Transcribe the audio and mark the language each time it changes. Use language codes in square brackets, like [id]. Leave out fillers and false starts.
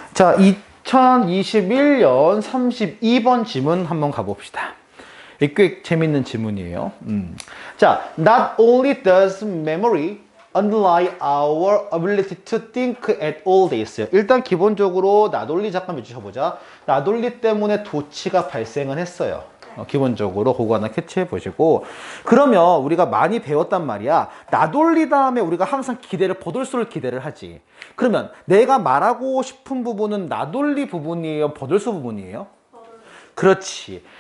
[ko] 자, 2021년 32번 질문 한번 가봅시다. 꽤 재밌는 질문이에요. [en] 자, not only does memory underlie our ability to think at all days. [ko] 일단 기본적으로 나돌리 잠깐 비추셔보자. 나돌리 때문에 도치가 발생은 했어요. 기본적으로 그거 하나 캐치해 보시고, 그러면 우리가 많이 배웠단 말이야. 나돌리 다음에 우리가 항상 기대를 버돌수를 기대를 하지. 그러면 내가 말하고 싶은 부분은 나돌리 부분이에요, 버돌수 부분이에요? 그렇지.